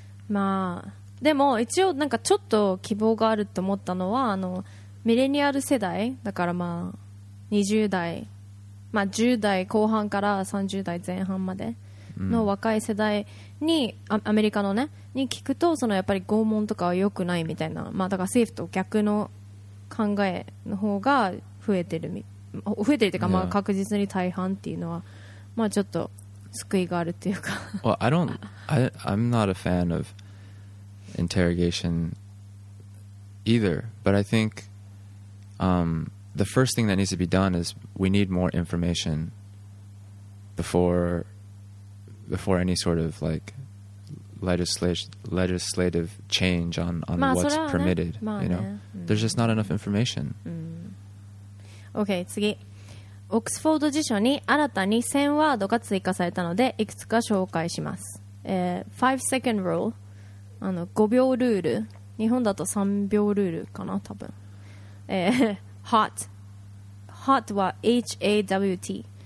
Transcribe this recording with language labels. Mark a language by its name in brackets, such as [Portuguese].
[Japanese] まあ、でも一応なんかちょっと希望があると思ったのは、あの、ミレニアル世代、だからまあ、20代、まあ10代後半から30代前半までの若い世代に、うん、アメリカのね、に聞くと、そのやっぱり拷問とかは良くないみたいな、まあだから政府と逆の考えの方が増えてる、増えてるというか、まあ確実に大半っていうのは、まあちょっと救いがあるっていうか。 [English] Well, I don't, I'm not a fan of interrogation either, but I think, the first thing that needs to be done is we need more information before any sort of like legislative change on what's permitted. [Japanese] まあね、 [English] you know,、 [Japanese] うん、 [English] there's just not enough information.、 [Japanese] うん、 [English] okay, [Japanese] 次。オックスフォード辞書に新たに1000ワードが追加されたので、いくつか紹介します。 [English] 5-second rule、 [Japanese] あの5秒ルール。日本だと3秒ルールかな、多分。 hot、hot は H-A-W-T。